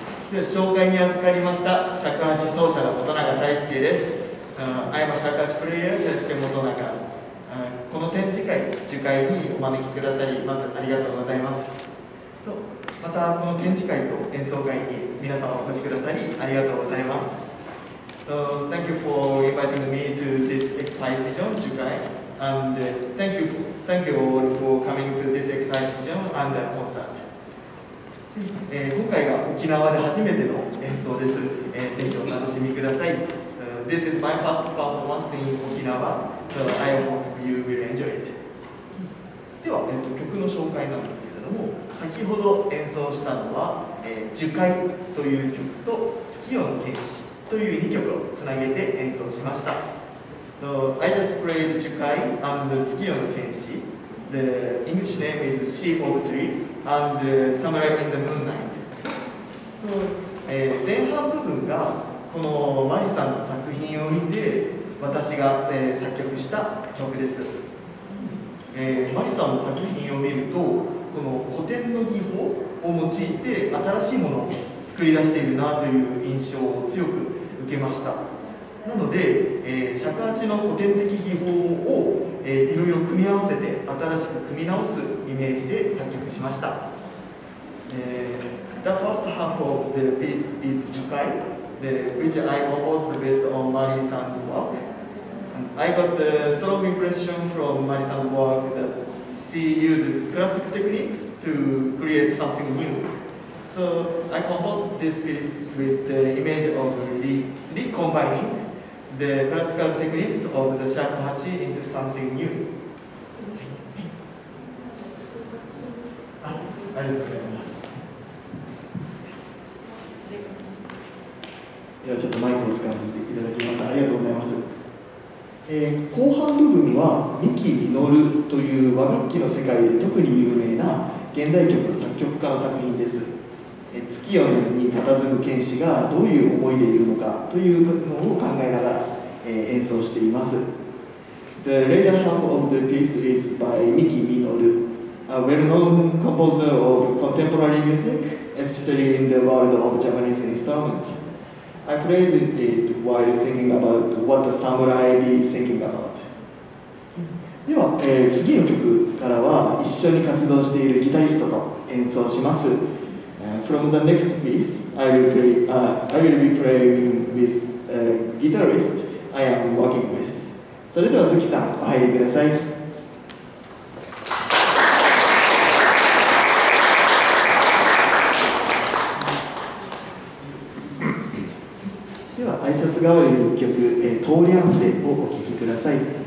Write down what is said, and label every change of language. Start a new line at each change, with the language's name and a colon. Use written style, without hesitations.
Japanese: 紹介に預かりました尺八奏者の本永大輔です。
English: I'm a
Japanese: 尺八プレイヤー大輔本永。この展示会受会にお招きくださりまずありがとうございます。またこの展示会と演奏会に皆様お越しくださりありがとうございます。
English: Thank you for inviting me to this exhibition 受会 and thank you all for coming to this exhibition and the concert。
Japanese: 今回が沖縄で初めての演奏です。ぜひお楽しみください。
English: This is my first performance in 沖縄、so I hope you will enjoy it。
Japanese: では、曲の紹介なんですけれども、先ほど演奏したのは、樹海という曲と月夜の天使という2曲をつなげて演奏しました。
English: So, I just played 樹海 and 月夜の天使。 The English name is Sea of Trees and Somewhere in the Moonlight。
Japanese: 前半部分がこのマリさんの作品を見て私が、作曲した曲です。マリさんの作品を見るとこの古典の技法を用いて新しいものを作り出しているなという印象を強く受けました。なので、尺八の古典的技法をいろいろ組み合わせて新しく組み直すイメージで作曲しました。
English: The first half of the piece is 樹海 which I composed based on Mari-san's work. I got the strong impression from Mari-san's work that she used classic techniques to create something new. So I composed this piece with the image of recombining. The classical techniques of the shakuhachi into something new.
Japanese: ありがとうございます。ではちょっとマイクを使っていただきます。ありがとうございます。後半部分は三木みのるという和楽器の世界で特に有名な現代曲の作曲家の作品です。月夜に佇む剣士がどういう思いでいるのかというのを考えながら演奏しています。
English: The later half of the piece is by Miki Minoru, a well-known composer of contemporary music, especially in the world of Japanese instruments. I played it while thinking about what the samurai be thinking about.
Japanese: では、次の曲からは一緒に活動しているギタリストと演奏します。
English: From the next piece, I will be playing with a guitarist I am working with.
Japanese: それでは月さん、お入りください。では挨拶代わりの曲、通り合わせをお聴きください。